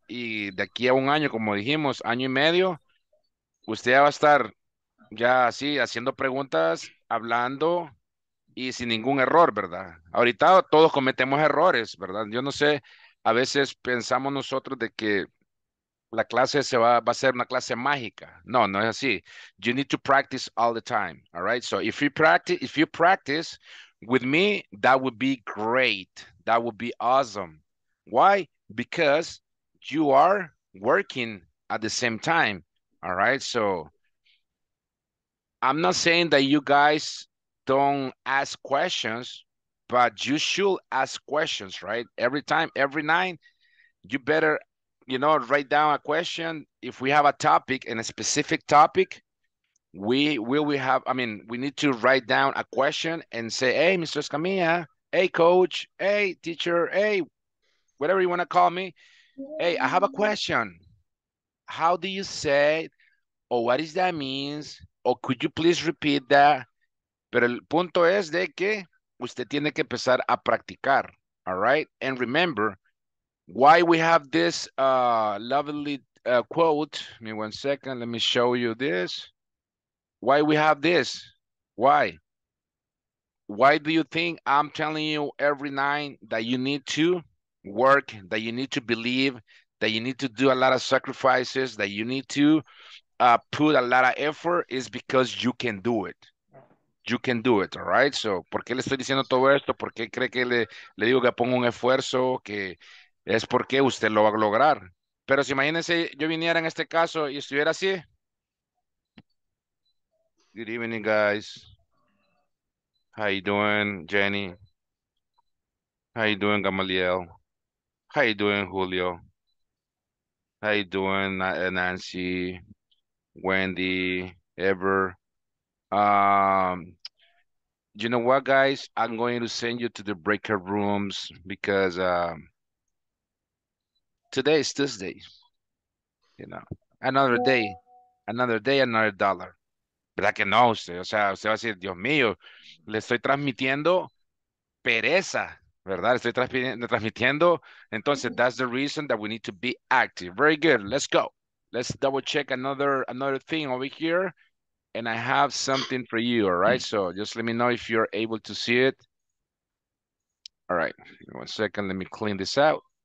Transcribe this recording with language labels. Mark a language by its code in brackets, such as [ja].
[es] Y de aquí a un año, como dijimos, año y medio, usted ya va a estar ya así, haciendo preguntas, hablando y sin ningún error, ¿verdad? Ahorita todos cometemos errores, ¿verdad? Yo no sé, a veces pensamos nosotros de que la clase se va a ser una clase mágica. No, no es así. [en] You need to practice all the time, all right? So if you practice with me, that would be great. That would be awesome. Why? Because you are working at the same time, all right? So I'm not saying that you guys don't ask questions, but you should ask questions, right? Every time, every night, you better, you know, write down a question. If we have a topic, and a specific topic, we need to write down a question and say, hey, Mr. Escamilla, hey, coach, hey, teacher, hey, whatever you want to call me. Hey, I have a question. How do you say, or what does that mean? Or could you please repeat that? [es] Pero el punto es de que usted tiene que empezar a practicar, [en] all right? And remember, why we have this lovely quote. Give me 1 second, let me show you this. Why we have this? Why? Why do you think I'm telling you every night that you need to work, that you need to believe, that you need to do a lot of sacrifices, that you need to put a lot of effort? Is because you can do it. You can do it, all right? [es] So, ¿por qué le estoy diciendo todo esto? ¿Por qué cree que le digo que ponga un esfuerzo? Que es porque usted lo va a lograr. Pero si imagínese, yo viniera en este caso y estuviera así. [en] Good evening, guys. How you doing, Jenny? How you doing, Gamaliel? How you doing, Julio? How you doing, Nancy, Wendy, Ever? You know what, guys? I'm going to send you to the breakout rooms because today is Tuesday. You know, another day, another dollar. [es] ¿Verdad que no, usted? O sea, usted va a decir, Dios mío, le estoy transmitiendo pereza, ¿verdad? Le estoy transmitiendo. [en] Entonces, that's the reason that we need to be active. Very good. Let's go. Let's double check another thing over here. And I have something for you, all right? So just let me know if you're able to see it. All right. 1 second. Let me clean this out.